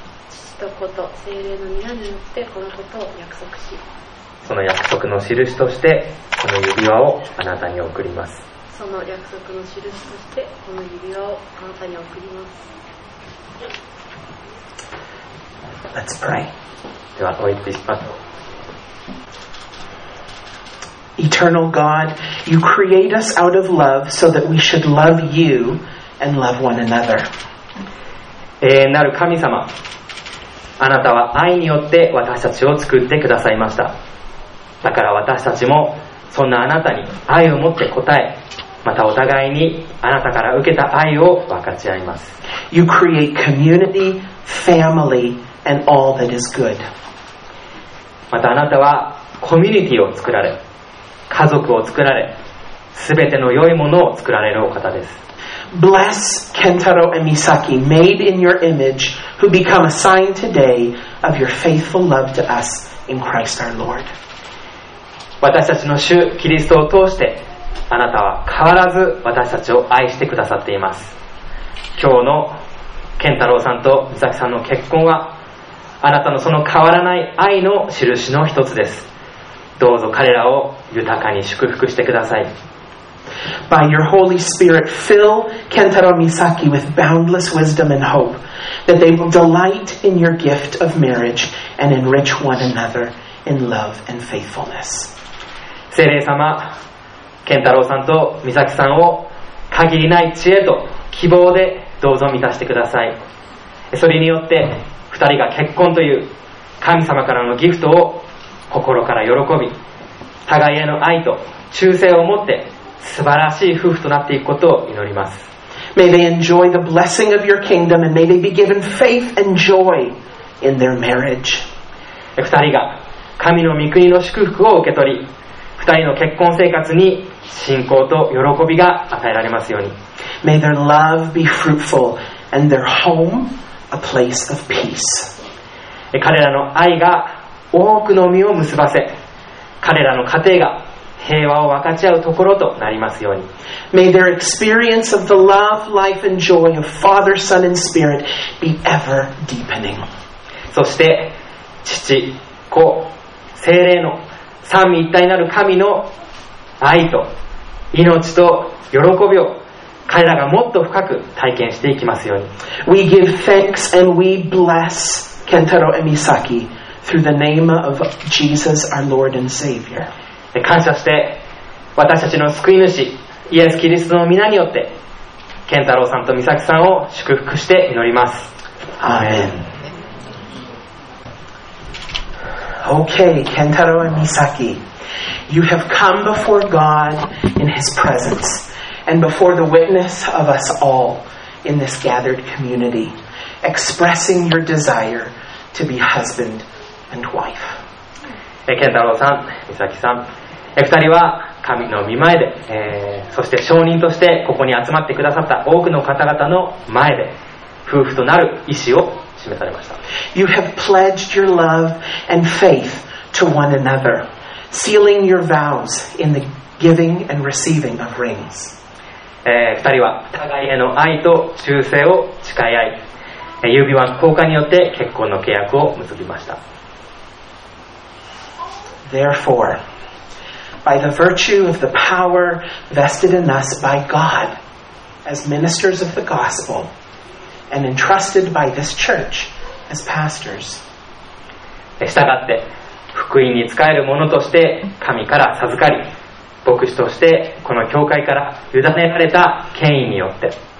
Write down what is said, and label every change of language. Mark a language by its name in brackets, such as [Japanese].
[Japanese] 父と子と聖霊の御名によってこのことを約束し、その約束の印としてこの指輪をあなたに贈ります、その約束の印としてこの指輪をあなたに贈ります。 [English] Let's pray。 Eternal God, you create us out of love so that we should love you and love one another. [Japanese] 永遠なる神様、あなたは愛によって私たちを作ってくださいました。だから私たちもそんなあなたに愛を持って応え、またお互いにあなたから受けた愛を分かち合います。 [English] You create community, family, and all that is good. [Japanese] またあなたはコミュニティを作られ、家族を作られ、すべての良いものを作られるお方です。 [English] Bless Kentaro and Misaki, made in your image, who become a sign today of your faithful love to us in Christ our Lord. [Japanese] 私たちの主キリストを通して、あなたは変わらず私たちを愛してくださっています。今日の Kentaro さんと Misaki さんの結婚はあなたのその変わらない愛の印の一つです。どうぞ彼らを豊かに祝福してください。 [English] By your Holy Spirit, fill Kentaro Misaki with boundless wisdom and hope that they will delight in your gift of marriage and enrich one another in love and faithfulness. [Japanese] 聖霊様、Kentaro さんと Misaki さんを限りない知恵と希望でどうぞ満たしてください。それによって二人が結婚という神様からのギフトを心から喜び、互いへの愛と忠誠を持って素晴らしい夫婦となっていくことを祈ります。 [English] May they enjoy the blessing of your kingdom and may they be given faith and joy in their marriage. [Japanese] 二人が神の御国の祝福を受け取り、二人の結婚生活に信仰と喜びが与えられますように。 [English] May their love be fruitful and their home. A place of peace. [Japanese] 彼らの愛が多くの実を結ばせ、彼らの家庭が平和を分かち合うところとなりますように。 [English] May their experience of the love, life, and joy of Father, Son, and Spirit be ever deepening. [Japanese] そして、父、子、聖霊の三位一体なる神の愛と命と喜びを彼らがもっと深く体験していきますように。 [English] We give thanks and we bless Kentaro Emisaki through the name of Jesus, our Lord and Savior. [Japanese] 感謝して私たちの救い主イエス・キリストの皆によって健太郎さんと美咲さんを祝福して祈ります。 [English] Amen. Okay, Kentaro and Misaki, you have come before God in His presence and before the witness of us all in this gathered community, expressing your desire to be husband and wife. [Japanese] Kentaro さん、Misaki さん、二人は神の御前で、そして証人としてここに集まってくださった多くの方々の前で夫婦となる意思を示されました。 [English] You have pledged your love and faith to one another, sealing your vows in the giving and receiving of rings. [Japanese] 二人は互いへの愛と忠誠を誓い合い、指輪交換によって結婚の契約を結びました。 [English] Therefore,By the virtue of the power vested in us by God as ministers of the gospel and entrusted by this church as pastors. [Japanese] したがって福音に仕える者として神から授かり、牧師としてこの教会から委ねられた権威によって。